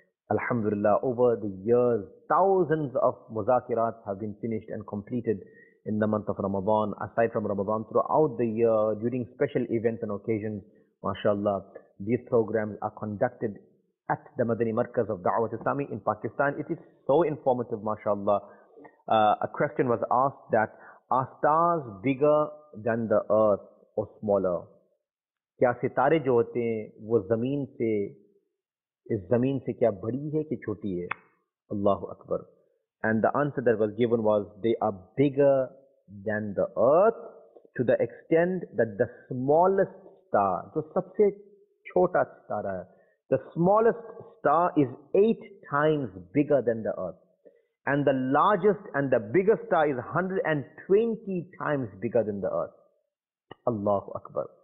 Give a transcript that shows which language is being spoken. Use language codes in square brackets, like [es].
[en] Alhamdulillah, over the years, thousands of muzakirat have been finished and completed in the month of Ramadan, aside from Ramadan, throughout the year, during special events and occasions, mashallah, these programs are conducted at the Madani Markaz of Da'wat Islami in Pakistan. It is so informative, mashallah. A question was asked that, Are stars bigger than the earth or smaller? [ur] کیا ستارے جو ہوتے ہیں وہ زمین سے اس زمین سے کیا بڑی ہے کہ چھوٹی ہے؟ اللہ اکبر. [en] And the answer that was given was they are bigger than the earth to the extent that the smallest star, [ur] جو سب سے چھوٹا ستارہ ہے, [en] the smallest star is 8 times bigger than the earth and the largest and the biggest star is 120 times bigger than the earth. Allahu Akbar.